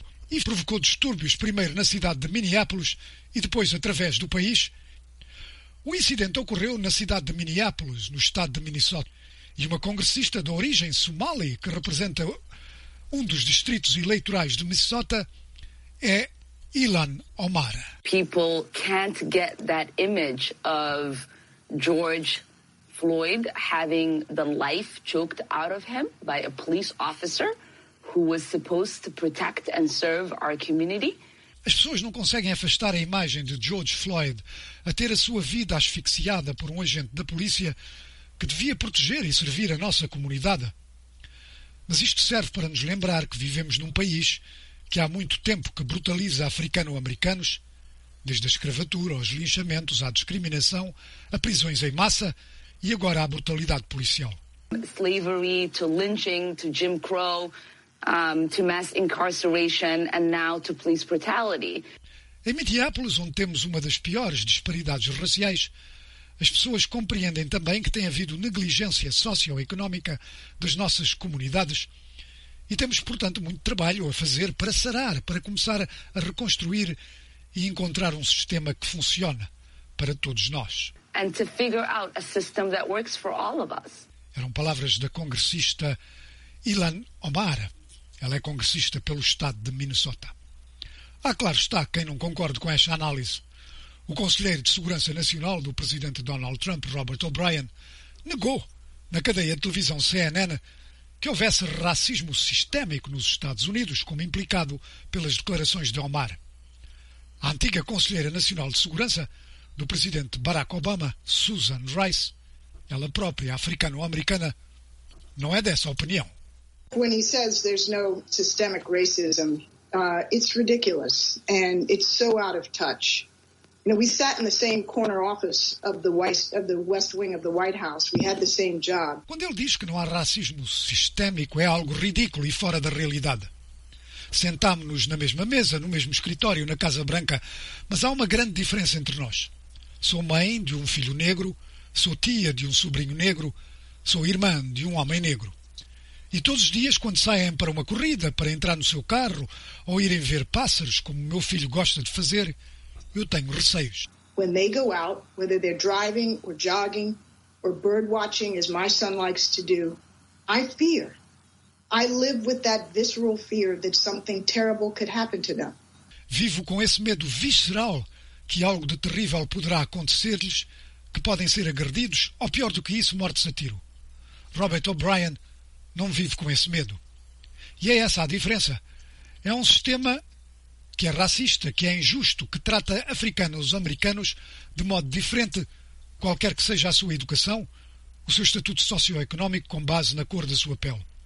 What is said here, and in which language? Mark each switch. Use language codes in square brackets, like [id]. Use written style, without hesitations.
[pt] Isso provocou distúrbios, primeiro na cidade de Minneapolis e depois através do país. O incidente ocorreu na cidade de Minneapolis, no estado de Minnesota, e uma congressista de origem somali, que representa um dos distritos eleitorais de Minnesota, é Ilhan Omar. [en] People can't get that image of George Floyd having the life choked out of him by a police officer who was supposed to protect and serve our community. [pt] As pessoas não conseguem afastar a imagem de George Floyd a ter a sua vida asfixiada por um agente da polícia que devia proteger e servir a nossa comunidade. Mas isto serve para nos lembrar que vivemos num país que há muito tempo que brutaliza africano-americanos, desde a escravatura aos linchamentos, à discriminação, a prisões em massa e agora à brutalidade policial. [en] Slavery to lynching to Jim Crow, to mass incarceration and now to police brutality. [pt] Em Minneapolis, onde temos uma das piores disparidades raciais, as pessoas compreendem também que tem havido negligência socioeconómica das nossas comunidades e temos, portanto, muito trabalho a fazer para sarar, para começar a reconstruir e encontrar um sistema que funciona para todos nós. [en] And to figure out a system that works for all of us. [pt] Eram palavras da congressista Ilhan Omar. Ela é congressista pelo estado de Minnesota. Há, claro está, quem não concorde com esta análise. O conselheiro de Segurança Nacional do presidente Donald Trump, Robert O'Brien, negou na cadeia de televisão CNN que houvesse racismo sistémico nos Estados Unidos, como implicado pelas declarações de Omar. A antiga conselheira nacional de segurança do presidente Barack Obama, Susan Rice, ela própria africano-americana, não é dessa opinião. [en] When he says there's no systemic racism, it's ridiculous and it's so out of touch. You know, we sat in the same corner office of the West Wing of the White House. We had the same job. [pt] Quando ele diz que não há racismo sistémico, é algo ridículo e fora da realidade. Sentámo-nos na mesma mesa, no mesmo escritório, na Casa Branca, mas há uma grande diferença entre nós. Sou mãe de um filho negro, sou tia de um sobrinho negro, sou irmã de um homem negro. E todos os dias, quando saem para uma corrida, para entrar no seu carro, ou irem ver pássaros, como o meu filho gosta de fazer, eu tenho receios. [en] When they go out, whether they're driving or jogging or bird watching, as my son likes to do, I fear. I live with that visceral fear that something terrible could happen to them. [pt] Vivo com esse medo visceral que algo de terrível poderá acontecer-lhes, que podem ser agredidos, ou pior do que isso, mortos a tiro. Robert O'Brien não vive com esse medo. E é essa a diferença. É um sistema que é racista, que é injusto, que trata africanos e americanos de modo diferente, qualquer que seja a sua educação, o seu estatuto socioeconómico com base na cor da sua pele.